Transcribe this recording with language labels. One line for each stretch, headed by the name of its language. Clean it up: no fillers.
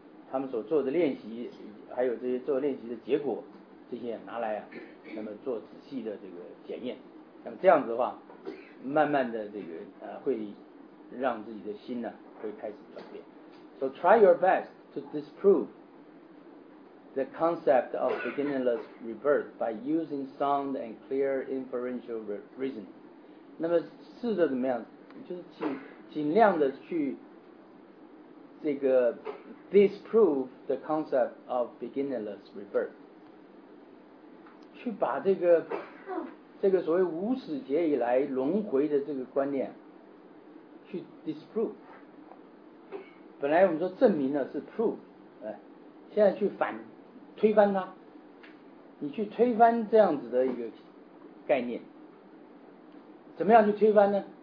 Chinese: 他们所做的练习，还有这些做练习的结果，这些拿来啊，那么做仔细的这个检验，那么这样子的话，慢慢的这个会让自己的心呢、啊、会开始转变。
English: So try your best to disprove the concept of beginningless rebirth by using sound and clear inferential reason.
Chinese: 那么试着怎么样，就是尽量的去。这个
English: disprove the concept of beginningless rebirth.
Chinese: 去把这个所谓无始劫以来轮回的这个观念去 disprove， 本来我们说证明了是 prove， 现在去反推翻它，你去推翻这样子的一个概念，怎么样去推翻呢？